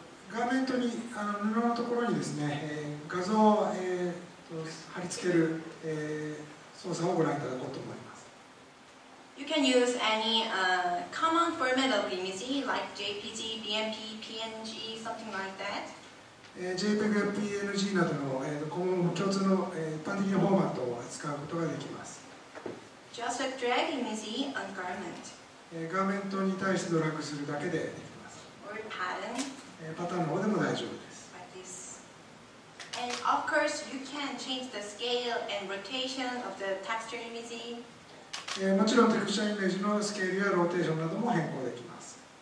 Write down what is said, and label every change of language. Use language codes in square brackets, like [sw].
[ja] ガーメントにあの布のところにですね、画像を、貼り付ける、操作をご覧いただこうと思います。 [en] You can use any common format of image like JPG, BMP, PNG, something like that. [ja] JPEG や PNG などの、共通の、一般的なフォーマットを使うことができます。 [en] Just drag image on garment. [ja] ガーメントに対してドラッグするだけでできます。 [en] Or pattern. [ja] パターンの方でも大丈夫です。 [en] And of course, you can change the scale and rotation of the texture image. [ja] もちろん、テクスチャーイメージのスケールやローテーションなども変更できます。